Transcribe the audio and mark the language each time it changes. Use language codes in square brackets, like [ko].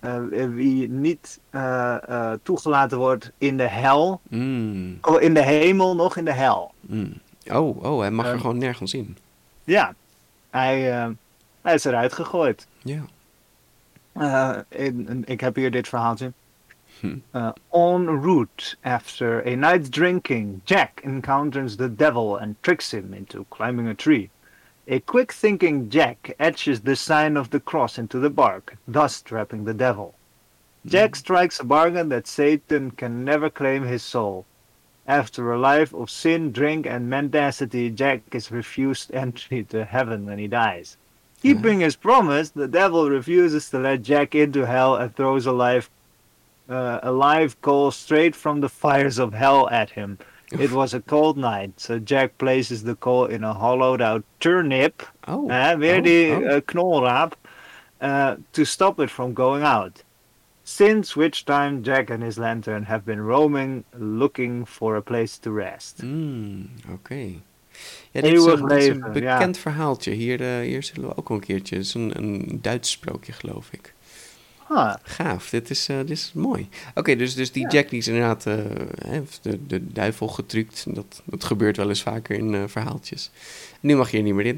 [nl] Wie niet toegelaten wordt in de hel. Mm. Of in de hemel, nog in de hel. Mm. Oh, hij mag er gewoon nergens in. Ja. Hij is eruit gegooid. Ja. Yeah. Ik heb hier dit verhaaltje. [en] En route, after a night's drinking, Jack encounters the devil and tricks him into climbing a tree. A quick-thinking Jack etches the sign of the cross into the bark, thus trapping the devil. Jack strikes a bargain that Satan can never claim his soul. After a life of sin, drink, and mendacity, Jack is refused entry to heaven when he dies. Keeping his promise, the devil refuses to let Jack into hell and throws a live coal straight from the fires of hell at him. Oof. It was a cold night, so Jack places the coal in a hollowed-out turnip, knolraap, to stop it from going out. Since which time, Jack and his lantern have been roaming, looking for a place to rest. Okay. [nl] Ja, dit is een bekend verhaaltje. Hier zullen we ook een keertje. Het is een Duits sprookje, geloof ik. Huh. Gaaf, dit is mooi. Oké, dus die Jack die is inderdaad de duivel getrukt. Dat gebeurt wel eens vaker in verhaaltjes. Nu mag je er niet meer in.